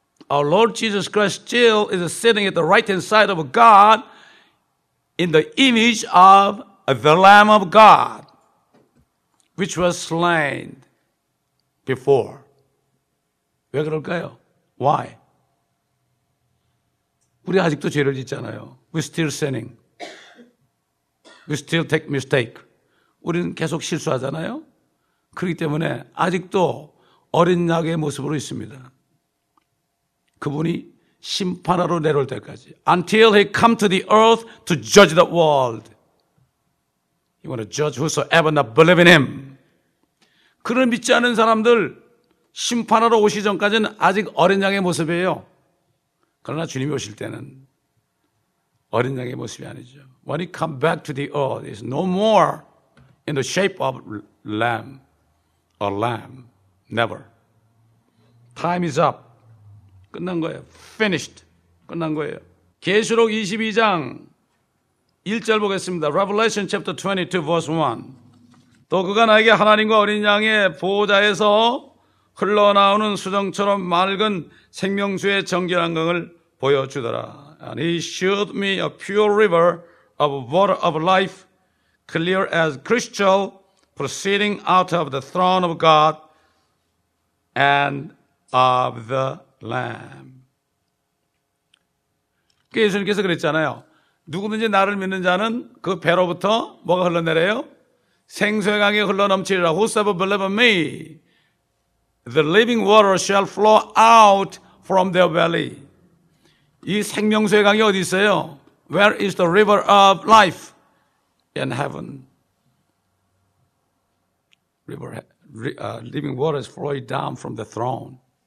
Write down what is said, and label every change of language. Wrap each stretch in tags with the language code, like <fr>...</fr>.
<en>Our Lord Jesus Christ still is sitting at the right hand side of God in the image of the Lamb of God, which was slain before.</en> <ko>왜 그럴까요?</ko> <en>Why?</en> <ko>우리 아직도 죄를 짓잖아요.</ko> <en>We still sinning. We still take mistake.</en> <ko>우리는 계속 실수하잖아요. 그렇기 때문에 아직도 어린 양의 모습으로 있습니다. 그분이 심판하러 내려올 때까지.</ko> <en>Until he come to the earth to judge the world. He want to judge whosoever not believe in him.</en> <ko>그를 믿지 않은 사람들 심판하러 오시 전까지는 아직 어린 양의 모습이에요. 그러나 주님이 오실 때는 어린 양의 모습이 아니죠.</ko> <en>When he come back to the earth, he's no more in the shape of lamb. A lamb. Never. Time is up.</en> <ko>끝난 거예요.</ko> <en>Finished.</en> <ko>끝난 거예요. 계시록 22장 1절 보겠습니다.</ko> <en>Revelation chapter 22 verse 1.</en> <ko>또 그가 나에게 하나님과 어린 양의 보호자에서 흘러나오는 수정처럼 맑은 생명수의 정결한 강을 보여주더라.</ko> <en>And he showed me a pure river of water of life, clear as crystal, proceeding out of the throne of God and of the Lamb.</en> <ko>예수님께서 그랬잖아요. 누구든지 나를 믿는 자는 그 배로부터 뭐가 흘러내려요? 생수의 강이 흘러넘치리라.</ko> <en>Whosoever believes in me, the living water shall flow out from their belly.</en> <ko>이 생명수의 강이 어디 있어요?</ko> <en>Where is the river of life? In heaven. River, living water is flowing down from the throne.</en>